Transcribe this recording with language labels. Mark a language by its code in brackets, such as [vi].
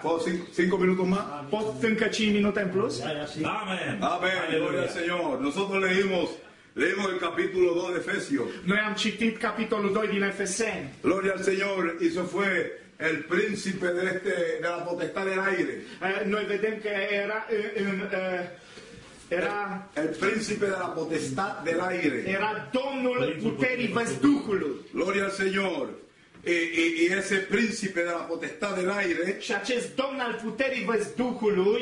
[es] ¿Puedo cinco minutos más? [ro] ¿Pot încă 5 minute în plus? Amén. [es] Amén. Gloria al Señor. Nosotros leímos el capítulo 2 de Efesios. [ro] Noi am citit capitolul 2 din Efeseni. [es] Gloria al Señor. Y eso fue el príncipe de este de la potestad del aire. [ro] Noi vedem că era era [es] el príncipe de la potestad del aire. [ro] Era domnul puterii văzducului. [es] Gloria al Señor. Y ese príncipe de la potestad del aire. [ro] Și acest domn al puterii văzducului.